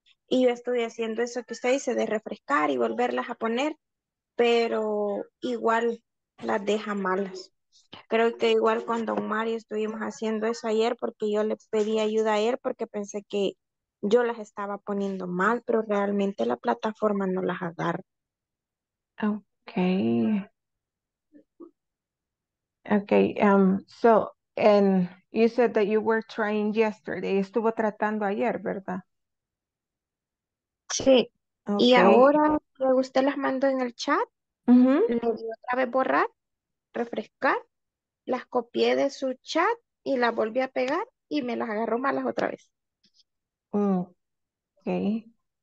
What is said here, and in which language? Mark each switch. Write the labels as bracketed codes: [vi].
[es] Y yo estuve haciendo eso que usted dice de refrescar y volverlas a poner, pero igual las deja malas. Creo que igual con Don Mario estuvimos haciendo eso ayer porque yo le pedí ayuda a él porque pensé que yo las estaba poniendo mal, pero realmente la plataforma no las agarra. [en] Okay. Okay, so and you said that you were trying yesterday. [es] Estuvo tratando ayer, ¿verdad? Sí, y ahora que usted las mandó en el chat, le di otra vez borrar, refrescar, las copié de su chat y las volví a pegar y me las agarró malas otra vez. [en] Okay.